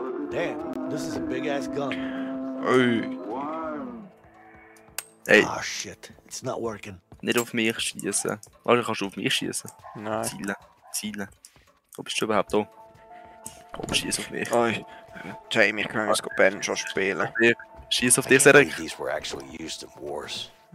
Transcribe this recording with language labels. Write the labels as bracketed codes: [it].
[en] Damn, this is a big ass gun. Ey. Ey. Ah, oh, shit. It's not working. [de] Nicht auf mich schießen. Alter, kannst du auf mich schießen? Nein. Zielen. Wo bist du überhaupt da? Komm, schieß auf mich. Oi. Jamie, ich kann jetzt Ben schon spielen. Schieß auf dich, Cedric. [en] These were actually used in wars.